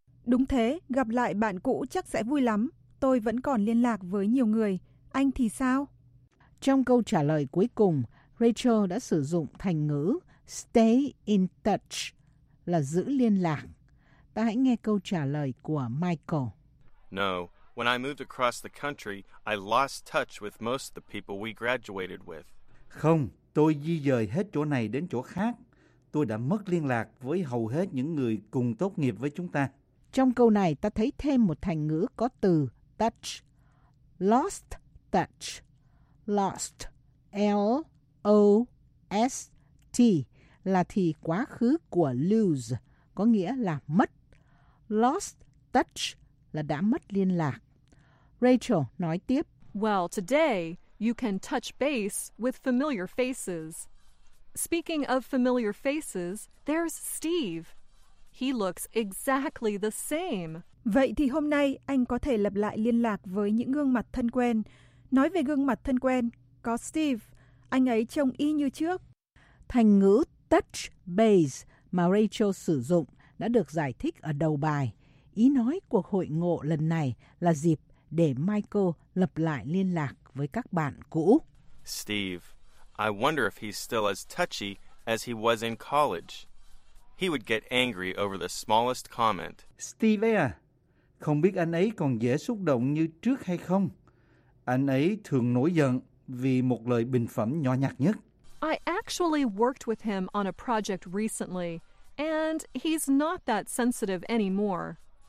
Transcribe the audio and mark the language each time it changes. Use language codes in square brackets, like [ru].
[vi] Đúng thế, gặp lại bạn cũ chắc sẽ vui lắm. Tôi vẫn còn liên lạc với nhiều người. Anh thì sao? Trong câu trả lời cuối cùng, Rachel đã sử dụng thành ngữ [en] stay in touch, [vi] là giữ liên lạc. Ta hãy nghe câu trả lời của Michael. [en] No, when I moved across the country, I lost touch with most of the people we graduated with. [vi] Không, tôi di dời hết chỗ này đến chỗ khác. Tôi đã mất liên lạc với hầu hết những người cùng tốt nghiệp với chúng ta. Trong câu này, ta thấy thêm một thành ngữ có từ touch. [en] Lost touch. [vi] Lost, L-O-S-T, là thì quá khứ của lose, có nghĩa là mất. [en] Lost touch [vi] là đã mất liên lạc. Rachel nói tiếp. [en] Well, today you can touch base with familiar faces. Speaking of familiar faces, there's Steve. He looks exactly the same. [vi] Vậy thì hôm nay anh có thể lập lại liên lạc với những gương mặt thân quen. Nói về gương mặt thân quen, có Steve. Anh ấy trông y như trước. Thành ngữ [en] touch base [vi] mà Rachel sử dụng đã được giải thích ở đầu bài. Ý nói cuộc hội ngộ lần này là dịp để Michael lập lại liên lạc với các bạn cũ. [en] Steve, I wonder if he's still as touchy as he was in college. He would get angry over the smallest comment. [vi] Steve à, không biết anh ấy còn dễ xúc động như trước hay không? Anh ấy thường nổi giận vì một lời bình phẩm nhỏ nhặt nhất. [en] I actually worked with him on a project recently, and he's not that sensitive anymore.